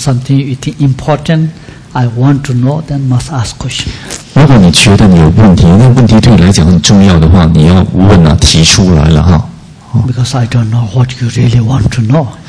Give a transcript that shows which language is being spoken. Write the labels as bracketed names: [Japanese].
[English] Something you think important, I want to know, then must ask questions. [Chinese] 如果你觉得你有问题，那问题对你来讲很重要的话，你要问啊，提出来了哈。 [English] Because I don't know what you really want to know.